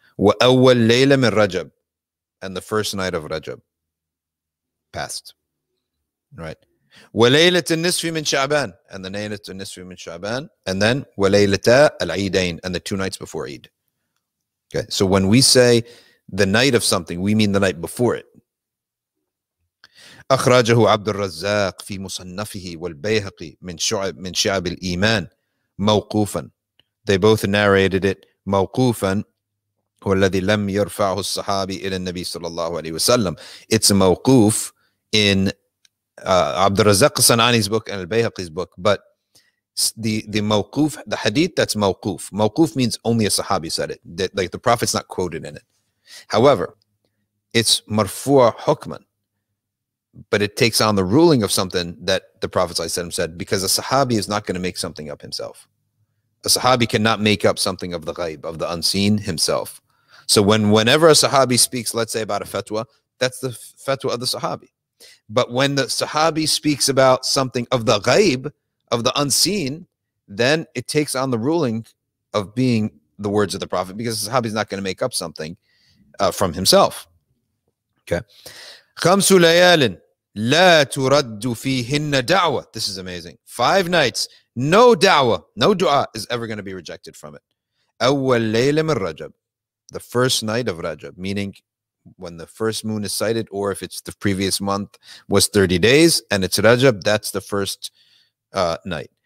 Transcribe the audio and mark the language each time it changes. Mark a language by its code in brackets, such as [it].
[ar] Wa awwal layla min Rajab, [en] and the first night of Rajab passed. Right. [ar] Wa laylatul nisfi min Sha'ban, [en] and the laylatul nisfi min Sha'ban, and then [ar] wa laylata al-Eidain, [en] and the two nights before Eid. Okay, so when we say the night of something, we mean the night before it. [ar] أخرجه عبد الرزاق في مصنفه والبيهقي من شعب من شعب الإيمان موقوفا. [en] They both narrated it موقوفا. [ar] هو الذي لم يرفعه الصحابي إلى النبي صلى الله عليه وسلم. [en] It's موقوف in عبد الرزاق الصنعاني's book and البيهقي's book. But the موقوف, the hadith that's موقوف. موقوف means only a صحابي said it. Like the Prophet's not quoted in it. However, it's [ar] مرفوع حكما. [en] But it takes on the ruling of something that the Prophet ﷺ said, because a Sahabi is not going to make something up himself. A Sahabi cannot make up something of the ghaib, of the unseen himself. So whenever a Sahabi speaks, let's say about a fatwa, that's the fatwa of the Sahabi. But when the Sahabi speaks about something of the ghaib, of the unseen, then it takes on the ruling of being the words of the Prophet, because a Sahabi is not going to make up something from himself. Okay. [ar] خمس ليال لا ترد فيهن دعوة. [en] This is amazing. Five nights, no da'wa, no du'a is ever going to be rejected from it. [ar] أول ليلة من رجب, [en] the first night of Rajab, meaning when the first moon is sighted, or if it's the previous month was 30 days and it's Rajab, that's the first night.